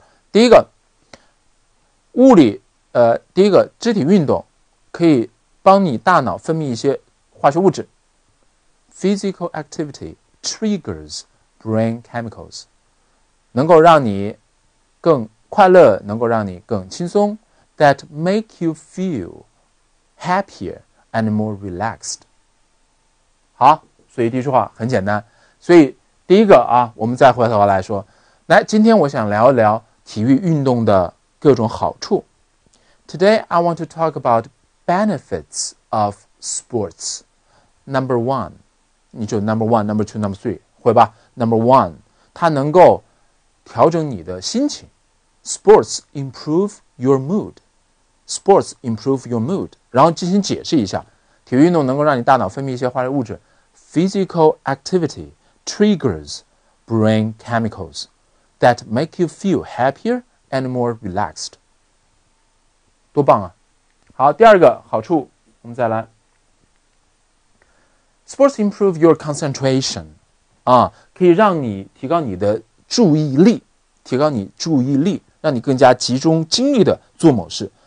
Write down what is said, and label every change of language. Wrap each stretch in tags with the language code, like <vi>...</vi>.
<zh>第一个物理第一个肢体运动可以帮你大脑分泌一些化学物质，</zh> <en>Physical activity triggers brain chemicals，</en> <zh>能够让你更快乐，能够让你更轻松，</zh> <en>That make you feelHappier and more relaxed.</en> <zh>好，所以第一句话很简单。所以第一个啊，我们再回头来说，来，今天我想聊一聊体育运动的各种好处。</zh> <en>Today I want to talk about benefits of sports.</en> <zh>Number one, 你就 number one, number two, number three, 回吧。 Number one, 它能够调整你的心情。</zh> <en>Sports improve your mood. Sports improve your mood.</en> <zh>然后进行解释一下，体育运动能够让你大脑分泌一些化学物质。</zh> <en>Physical activity triggers brain chemicals that make you feel happier and more relaxed.</en> <zh>多棒啊！好，第二个好处，我们再来。</zh> <en>Sports improve your concentration.</en> <zh>啊，可以让你提高你的注意力，提高你注意力，让你更加集中精力的做某事。</zh>